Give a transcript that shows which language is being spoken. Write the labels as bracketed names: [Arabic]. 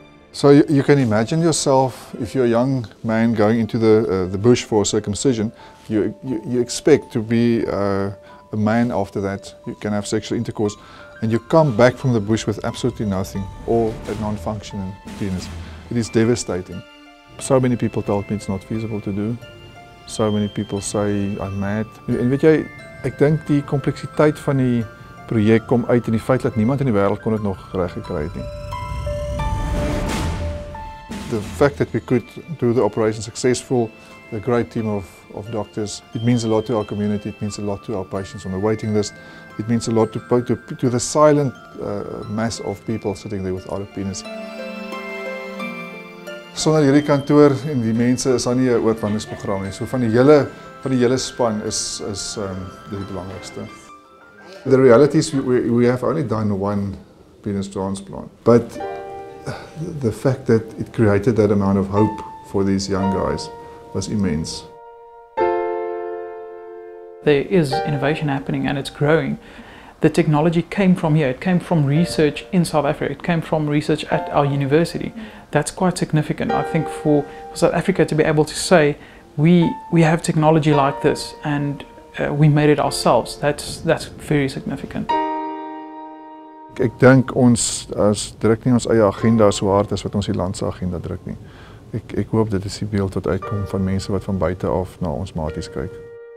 [English] So you can imagine yourself, if you're a young man going into the bush for circumcision, you expect to be a man after that, you can have sexual intercourse, and you come back from the bush with absolutely nothing, or a non-functioning penis. It is devastating. So many people told me it's not feasible to do. So many people say I'm mad. [Afrikaans] En weet jy, ek dink die kompleksiteit van die projek kom uit in die feit dat niemand in die wêreld kon dit nog reg gekry het nie. [English] The fact that we could do the operation successful, a great team of doctors, it means a lot to our community, it means a lot to our patients on the waiting list, it means a lot to the silent mass of people sitting there with other penis. [Afrikaans] Sonder hierdie kantoor en die mense is aan nie 'n oopwandingsprogram nie. So van die hele span is die belangrikste. [English] The reality is we have only done one penis transplant, but the fact that it created that amount of hope for these young guys was immense. There is innovation happening and it's growing. The technology came from here. It came from research in South Africa. It came from research at our university. That's quite significant, I think, for South Africa to be able to say, we have technology like this and we made it ourselves. That's very significant. [Afrikaans] Ek dink ons druk nie ons eie agenda so hard as wat ons die land se agenda druk nie. Ek hoop dit is die beeld wat uitkom van mense wat van buite af na ons maties kyk.